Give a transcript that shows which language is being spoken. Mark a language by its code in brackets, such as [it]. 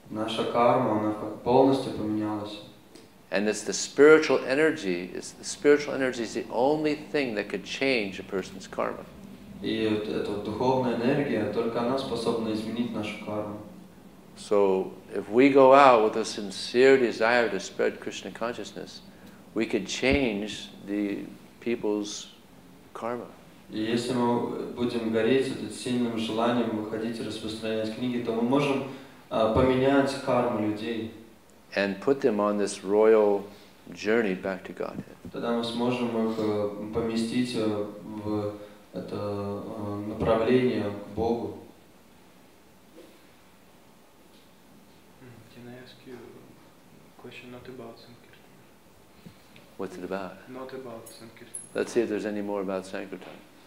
[ru] Наша карма полностью поменялась. [en] And it's the spiritual energy. It's the spiritual energy is the only thing that could change a person's karma. [ru] И эта духовная энергия только она способна изменить нашу карму. [en] So if we go out with a sincere desire to spread Krishna consciousness, we could change the people's karma. [ru] И если мы будем гореть этим сильным желанием выходить и распространять книги, то мы можем поменять карму людей. [en] And put them on this royal journey back to Godhead. [ru] Тогда мы сможем их поместить в это направление к Богу. [en] Can I ask you a question not about Sankirtan? What's it about? Not about Sankirtan. Let's see if there's any more about Sankirtan.